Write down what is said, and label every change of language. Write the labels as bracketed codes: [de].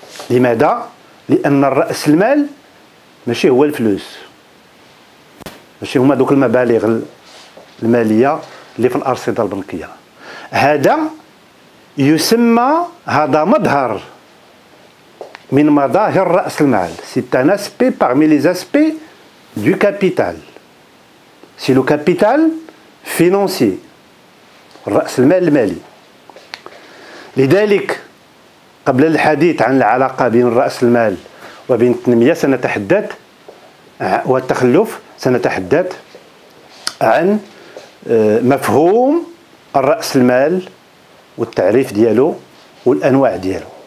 [ar] لماذا؟ لأن الرأس المال ماشي هو الفلوس، ماشي هما دوك المبالغ المالية اللي في الأرصدة البنكية. هذا يسمى هذا مظهر من مظاهر رأس المال. [fr] C'est un aspect parmi les aspects du capital. C'est le capital financier. [ar] رأس المال المالي. لذلك قبل الحديث عن العلاقة بين رأس المال وبين التنمية سنتحدث والتخلف سنتحدث عن مفهوم الرأس المال والتعريف ديالو والأنواع ديالو.